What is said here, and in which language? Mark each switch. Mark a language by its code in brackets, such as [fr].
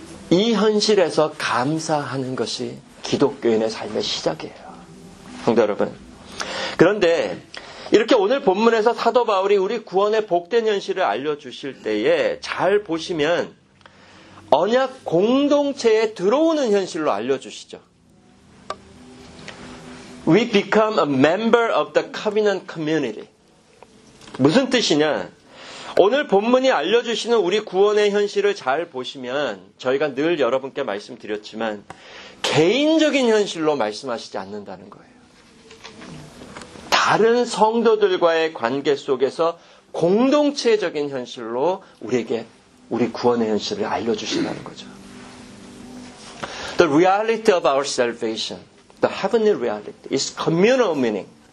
[ko] 이 현실에서 감사하는 것이 기독교인의 삶의 시작이에요. 성도 여러분, 그런데 이렇게 오늘 본문에서 사도 바울이 우리 구원의 복된 현실을 알려주실 때에 잘 보시면 언약 공동체에 들어오는 현실로 알려주시죠. [en] We become a member of the covenant community. [ko] 무슨 뜻이냐? 오늘 본문이 알려주시는 우리 구원의 현실을 잘 보시면 저희가 늘 여러분께 말씀드렸지만 개인적인 현실로 말씀하시지 않는다는 거예요. 다른 성도들과의 관계 속에서 공동체적인 현실로 우리에게 우리 구원의 현실을 알려주신다는 거죠. [en] The reality of our salvation, the heavenly reality, is communal meaning.